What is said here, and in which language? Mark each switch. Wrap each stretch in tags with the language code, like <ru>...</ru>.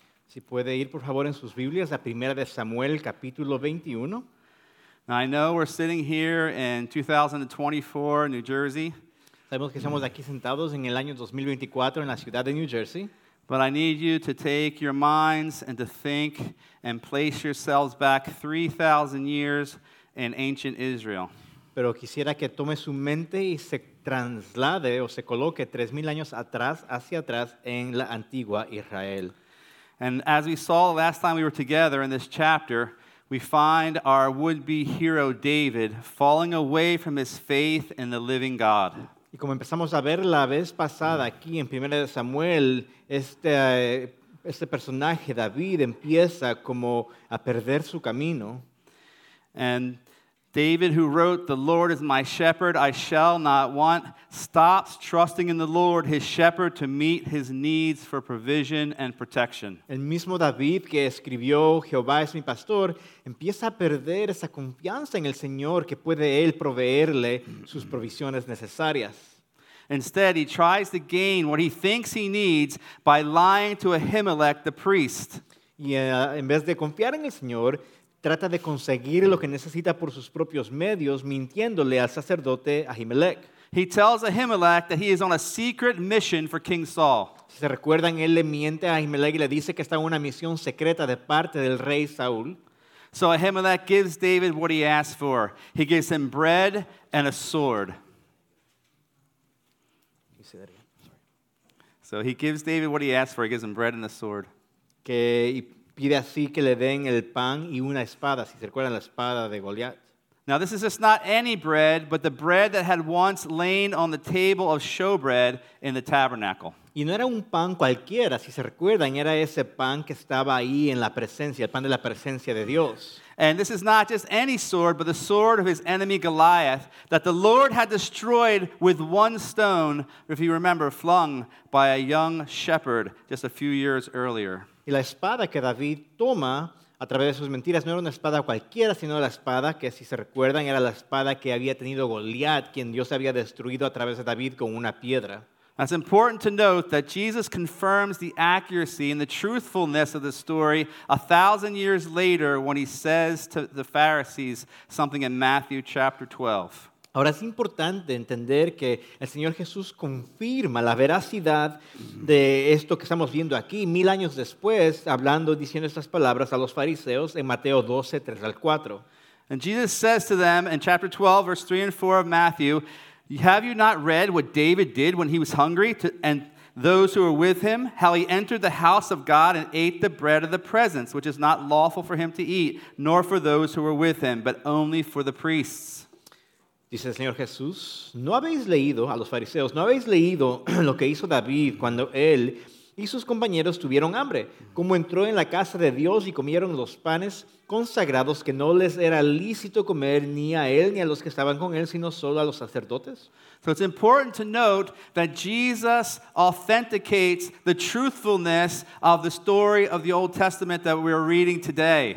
<es>Si puede ir por favor en sus Biblias a 1 Samuel capítulo 21.</es> <en>Now I know we're sitting here in 2024, New Jersey.</en> <es>Sabemos que estamos aquí sentados en el año 2024 en la ciudad de New Jersey.</es> <en>But I need you to take your minds and to think and place yourselves back 3,000 years in ancient Israel.</en> <es>Pero quisiera que tome su mente y se traslade o se coloque 3,000 años atrás, hacia atrás, en la antigua Israel.</es> <en>And as we saw last time we were together in this chapter, we find our would-be hero David falling away from his faith in the living God.</en> <es>Y como empezamos a ver la vez pasada aquí en 1 Samuel, este personaje, David, empieza como a perder su camino.</es> <en>And David, who wrote, "The Lord is my shepherd, I shall not want," stops trusting in the Lord, his shepherd, to meet his needs for provision and protection.</en> <es>El mismo David que escribió, "Jehová es mi pastor," empieza a perder esa confianza en el Señor que puede él proveerle sus provisiones necesarias.</es> <en>Instead, he tries to gain what he thinks he needs by lying to Ahimelech, the priest.</en> <es>Y en vez de confiar en el Señor, trata de conseguir lo que necesita por sus propios medios, mintiéndole al sacerdote Ahimelech.</es> <en>He tells Ahimelech that he is on a secret mission for King Saul.</en> <es>Si se recuerdan, él le miente a Ahimelech y le dice que está en una misión secreta de parte del rey Saúl.</es> <en>So Ahimelech gives David what he asked for. He gives him bread and a sword. So he gives David what he asked for. He gives him bread and a sword.</en> <es>Pide así que le den el pan y una espada, si se recuerdan la espada de Goliat.</es> <en>Now this is just not any bread, but the bread that had once lain on the table of showbread in the tabernacle.</en> <es>Y no era un pan cualquiera, si se recuerdan, era ese pan que estaba ahí en la presencia, el pan de la presencia de Dios.</es> <en>And this is not just any sword, but the sword of his enemy Goliath, that the Lord had destroyed with one stone, if you remember, flung by a young shepherd just a few years earlier.</en> <es>Y la espada que David toma a través de sus mentiras no era una espada cualquiera, sino la espada que, si se recuerdan, era la espada que había tenido Goliat, quien Dios había destruido a través de David con una piedra.</es> <en>It's important to note that Jesus confirms the accuracy and the truthfulness of the story 1,000 years later when he says to the Pharisees something in Matthew chapter 12.</en> <es>Ahora es importante entender que el Señor Jesús confirma la veracidad de esto que estamos viendo aquí 1,000 años después, hablando, diciendo estas palabras a los fariseos en Mateo 12, 3 al 4.</es> <en>And Jesus says to them in chapter 12, verse 3 and 4 of Matthew, "Have you not read what David did when he was hungry and those who were with him, how he entered the house of God and ate the bread of the presence, which is not lawful for him to eat, nor for those who were with him, but only for the priests?"</en> <es>Dice el Señor Jesús, ¿no habéis leído, a los fariseos, no habéis leído lo que hizo David cuando él y sus compañeros tuvieron hambre? ¿Cómo entró en la casa de Dios y comieron los panes consagrados que no les era lícito comer ni a él ni a los que estaban con él, sino solo a los sacerdotes?</es> <en>So it's important to note that Jesus authenticates the truthfulness of the story of the Old Testament that we are reading today.</en>